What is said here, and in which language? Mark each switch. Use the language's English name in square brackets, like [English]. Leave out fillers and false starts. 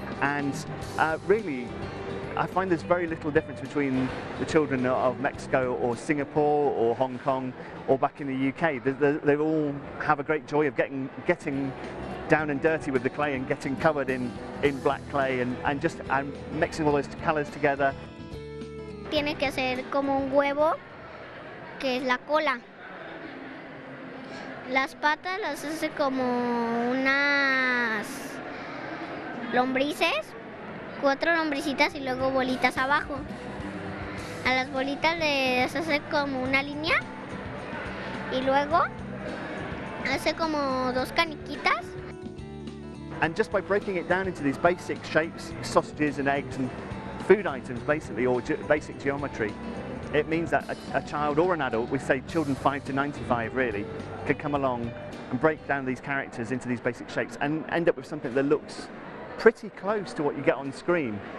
[English] And really, I find there's very little difference between the children of Mexico or Singapore or Hong Kong or back in the UK. They all have a great joy of getting down and dirty with the clay and getting covered in black clay and mixing all those colors together. [Spanish] Tiene que ser como un huevo, que es la cola. Las patas las hace como unas lombrices, 4 lombricitas y luego bolitas abajo. A las bolitas les hace como una línea y luego hace como 2 caniquitas. [English] And just by breaking it down into these basic shapes, sausages and eggs and food items basically, or basic geometry, it means that a child or an adult, we say children 5 to 95 really, could come along and break down these characters into these basic shapes and end up with something that looks pretty close to what you get on screen.